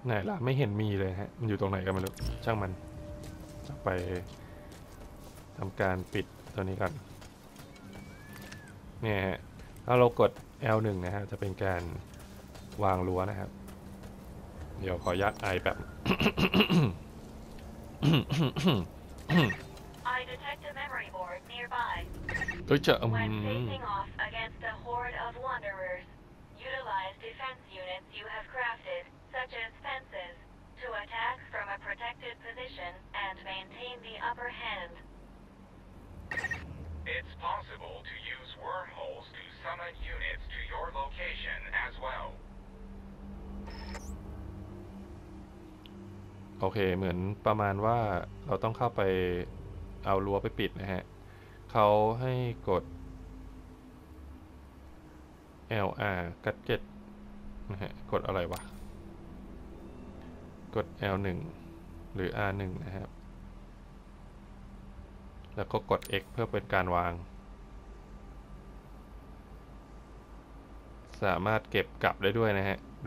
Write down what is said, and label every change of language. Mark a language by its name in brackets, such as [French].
[Thai] ล่ะไม่เห็นมีเลยฮะมันอยู่ตรงไหนกันไม่รู้ช่างมันไปทำการปิดตัวนี้ก่อนเนี่ยถ้าเรากด L1 นะฮะจะเป็นการวางรั้วนะครับเดี๋ยวขอยัดไอแบบ [English] I detect a memory board nearby. [Thai] เฮ้ยเจ้า [English] When facing off against a horde of wanderers, utilize defense units you have crafted, such as fences, to attack from a protected position and maintain the upper hand. It's possible to use wormholes to summon units to your location as well. [Thai] โอเคเหมือนประมาณว่าเราต้องเข้าไปเอารั้วไปปิดนะฮะเขาให้กด LR กัดเก็ตนะฮะกดอะไรวะกด L1 หรือ R1 นะครับแล้วก็กด X เพื่อเป็นการวางสามารถเก็บกลับได้ด้วยนะฮะโด